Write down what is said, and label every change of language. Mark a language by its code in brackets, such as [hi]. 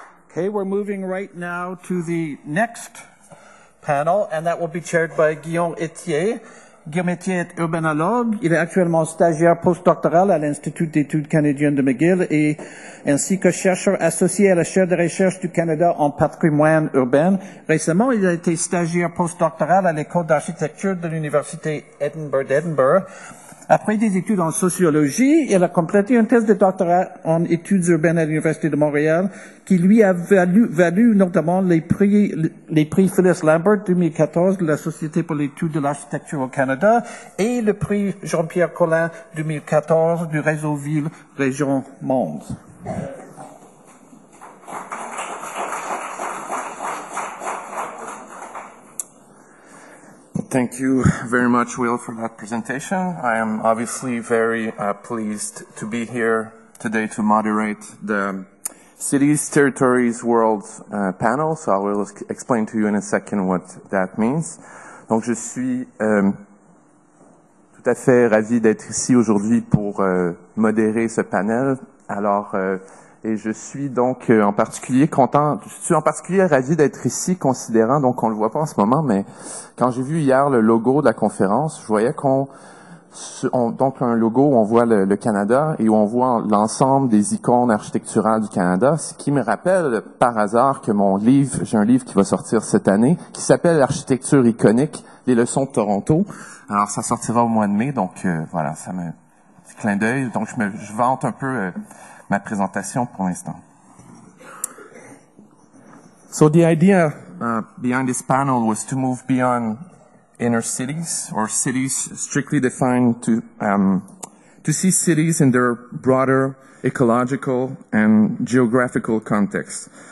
[en] Okay, we're moving right now to the next panel, and that will be chaired by Guillaume Etier. [fr] Guillaume Etier est urbanologue. Il est actuellement stagiaire postdoctoral à l'Institut d'études canadiennes de McGill et ainsi que chercheur associé à la chaire de recherche du Canada en patrimoine urbain. Récemment, il a été stagiaire postdoctoral à l'école d'architecture de l'Université d'Edinburgh. Après des études en sociologie, il a complété une thèse de doctorat en études urbaines à l'Université de Montréal qui lui a valu notamment les prix Phyllis Lambert 2014 de la Société pour l'étude de l'architecture au Canada et le prix Jean-Pierre Collin 2014 du réseau Ville Région Monde. [en] Thank you very much, Will, for that presentation. I am obviously very pleased to be here today to moderate the Cities, Territories, World panel. So I will explain to you in a second what that means. [fr] Donc, je suis tout à fait ravi d'être ici aujourd'hui pour modérer ce panel. Alors, et je suis donc en particulier content, je suis en particulier ravi d'être ici, considérant, donc on le voit pas en ce moment, mais quand j'ai vu hier le logo de la conférence, je voyais donc un logo où on voit le Canada et où on voit l'ensemble des icônes architecturales du Canada, ce qui me rappelle par hasard que mon livre, j'ai un livre qui va sortir cette année, qui s'appelle « L'architecture iconique, les leçons de Toronto ». Alors ça sortira au mois de mai, donc voilà, ça me fait clin d'œil, donc je vante un peu... ma présentation pour l'instant. [en] So the idea behind this panel was to move beyond inner cities or cities strictly defined to see cities in their broader ecological and geographical context.